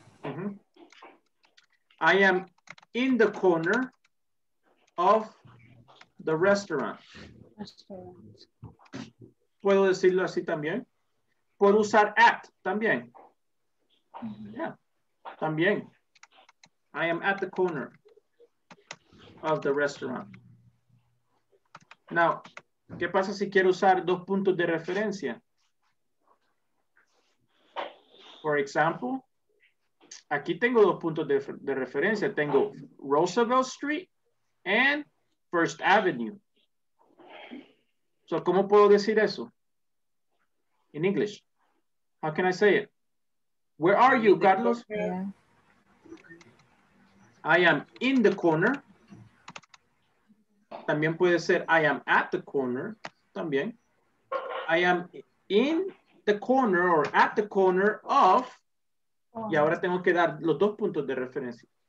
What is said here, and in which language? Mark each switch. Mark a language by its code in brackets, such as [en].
[en] Mm-hmm. I am in the corner of the restaurant. [es] ¿Puedo decirlo así también? ¿Puedo usar at también? Mm-hmm. Yeah, también. [en] I am at the corner of the restaurant. [es] Now, ¿qué pasa si quiero usar dos puntos de referencia? [en] For example, [es] aquí tengo dos puntos de referencia. Tengo Roosevelt Street and First Avenue. [en] So, [es] ¿cómo puedo decir eso? [en] In English. How can I say it? Where are you, Carlos? Yeah. I am in the corner. [es] También puede ser [en] I am at the corner. [es] También. [en] I am in the corner or at the corner of. [es] Y ahora tengo que dar los dos puntos de referencia.